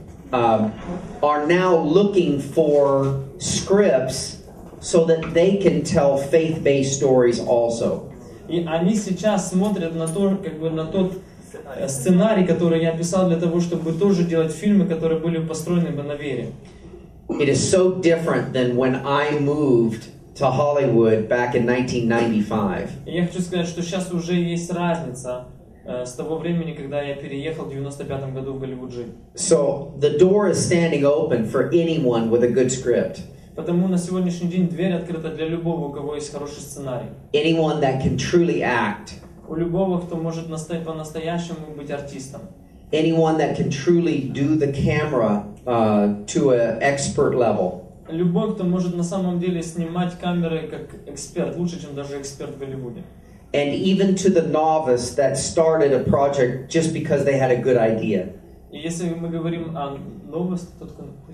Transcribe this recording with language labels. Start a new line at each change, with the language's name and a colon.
English: Are now looking for scripts so that they can tell faith-based stories also.
Russian: И они сейчас смотрят на то, как бы на тот сценарий, который я писал для того, чтобы тоже делать фильмы, которые были построены бы на вере.
English: It is so different than when I moved to Hollywood back in 1995.
Russian: Я хочу сказать, что сейчас уже есть разница с того времени, когда я переехал в 95 году в Голливуд жить.
English: So the door is standing open for anyone with a good script.
Russian: Потому на сегодняшний день дверь открыта для любого, у кого есть хороший сценарий.
English: Anyone that can truly act.
Russian: У любого, кто может по-настоящему быть артистом.
English: Anyone that can truly do the camera to an expert level.
Russian: Любой, кто может на самом деле снимать камеры как эксперт, лучше, чем даже эксперт в Голливуде.
English: And even to the novice that started a project just because they had a good idea.
Russian: И если мы говорим о новости, тот, кто...